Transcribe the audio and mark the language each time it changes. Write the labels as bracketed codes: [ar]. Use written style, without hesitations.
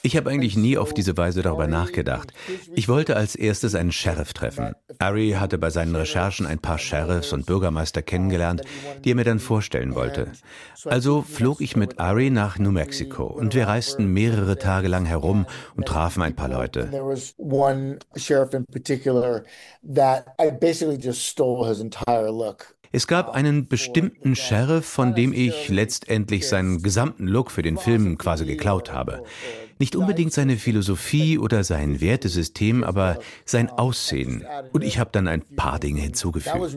[de] Ich habe eigentlich nie auf diese Weise darüber nachgedacht. Ich wollte als erstes einen Sheriff treffen. Ari hatte bei seinen Recherchen ein paar Sheriffs und Bürgermeister kennengelernt, die er mir dann vorstellen wollte. Also flog ich mit Ari nach New Mexico und wir reisten mehrere Tage lang herum und trafen ein paar Leute. [en] There was one sheriff in particular that I basically just stole his entire look. [de] Es gab einen bestimmten Sheriff, von dem ich letztendlich seinen gesamten Look für den Film quasi geklaut habe. Nicht unbedingt seine Philosophie oder sein Wertesystem, aber sein Aussehen. Und ich habe dann ein paar Dinge hinzugefügt.